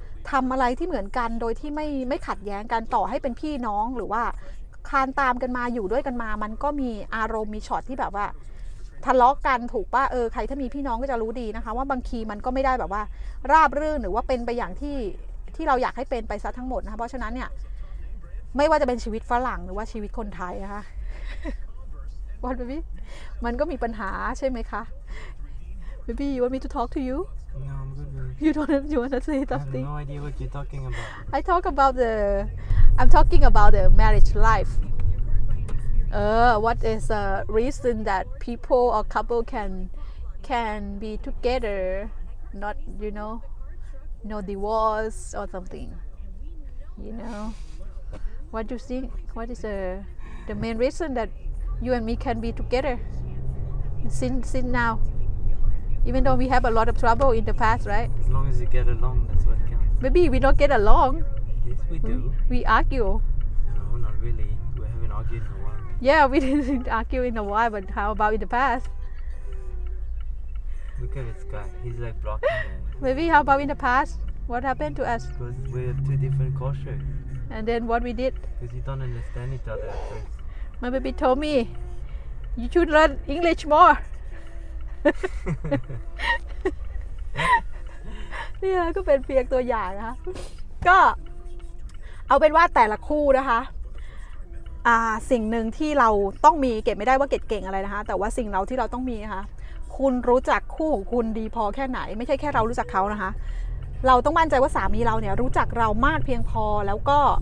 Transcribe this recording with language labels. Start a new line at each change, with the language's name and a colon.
Thai: ทำอะไรที่เหมือนกันโดยที่ไม่ขัดแย้งกันต่อให้เป็นพี่น้องหรือว่าคานตามกันมาอยู่ด้วยกันมามันก็มีอารมณ์มีช็อตที่แบบว่าทะเลาะกันถูกป่ะใครถ้ามีพี่น้องก็จะรู้ดีนะคะว่าบางทีมันก็ไม่ได้แบบว่าราบรื่นหรือว่าเป็นไปอย่างที่เราอยากให้เป็นไปซะทั้งหมดนะคะเพราะฉะนั้นเนี่ยไม่ว่าจะเป็นชีวิตฝรั่งหรือว่าชีวิตคนไทยนะคะวันเบบี้มันก็มีปัญหาใช่ไหมคะเบบี้
English: want me to talk to you No, I'm good. You want to say something? I have no idea what you're talking about. I'm talking about the marriage life. What is the reason that people or couple can be together, not, you know, no divorce or something? You know, what do you think? What is the main reason that you and me can be together since now? Even though we have a lot of trouble in the past, right? As long as you get along, that's what counts. Maybe we don't get along. Yes, we do. We argue. No, not really. We haven't argued in a while. Yeah, we didn't argue in a while, but how about in the past? Look at this guy. He's like blocking it. Maybe how about in the past? What happened to us? Because we're two different cultures. And then what we did? Because you don't understand each other at first. My baby told me, you should learn English more.
Thai: เนี่ยก็เป็นเพียงตัวอย่างนะคะก็เอาเป็นว่าแต่ละคู่นะคะสิ่งหนึ่งที่เราต้องมีเก็บไม่ได้ว่าเก็บเก่งอะไรนะคะแต่ว่าสิ่งเราที่เราต้องมีนะคะคุณรู้จักคู่ของคุณดีพอแค่ไหนไม่ใช่แค่เรารู้จักเขานะคะเราต้องมั่นใจว่าสามีเราเนี่ยรู้จักเรามากเพียงพอแล้วก็